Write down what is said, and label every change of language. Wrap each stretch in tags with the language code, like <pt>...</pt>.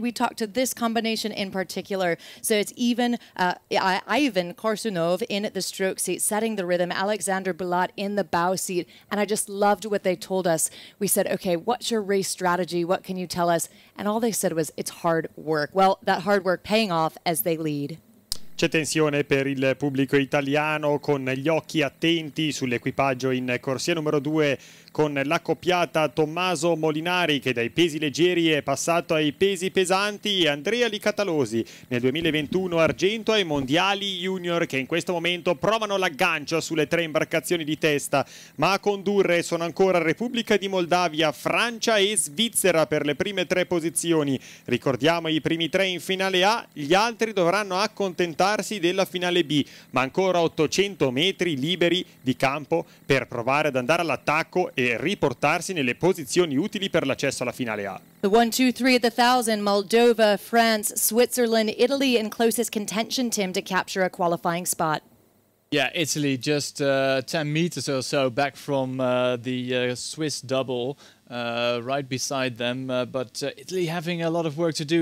<en>We talked to this combination in particular. So it's even Ivan Korsunov in the stroke seat, setting the rhythm. Alexander Bulat in the bow seat, and I just loved what they told us. We said, okay, what's your race strategy? What can you tell us? And all they said was, it's hard work. Well, that hard work paying off as they lead.</en> <it>C'è tensione per il pubblico italiano con gli occhi attenti sull'equipaggio in corsia numero 2 con l'accoppiata Tommaso Molinari, che dai pesi leggeri è passato ai pesi pesanti, e Andrea Licatalosi nel 2021 argento ai mondiali junior, che in questo momento provano l'aggancio sulle 3 imbarcazioni di testa, ma a condurre sono ancora Repubblica di Moldavia, Francia e Svizzera per le prime 3 posizioni. Ricordiamo i primi 3 in finale A, gli altri dovranno accontentarsi della finale B, ma ancora 800 metri liberi di campo per provare ad andare all'attacco e riportarsi nelle posizioni utili per l'accesso alla finale A.</it> <en>The 1-2-3 at the 1000, Moldova, France, Switzerland, Italy in closest contention, Tim, to capture a qualifying spot. Yeah, Italy just 10 meters or so back from the Swiss double. Right beside them, but Italy having a lot of work to do.</en>